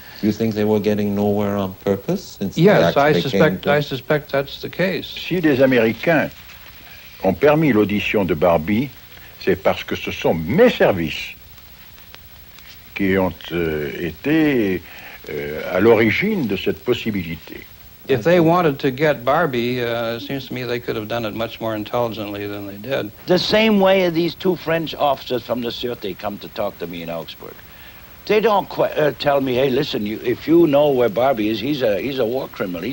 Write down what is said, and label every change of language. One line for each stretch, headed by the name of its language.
English: You think they were getting nowhere on purpose? Yes, I suspect that's the case.
French: Si les Américains ont permis l'audition de Barbie, c'est parce que ce sont mes services qui ont été à l'origine de cette possibilité.
English: If they wanted to get Barbie, it seems to me they could have done it much more intelligently than they did. The same way these two French officers from the Sûreté come to talk to me in Augsburg. They don't tell me, hey, listen, if you know where Barbie is, he's a war criminal.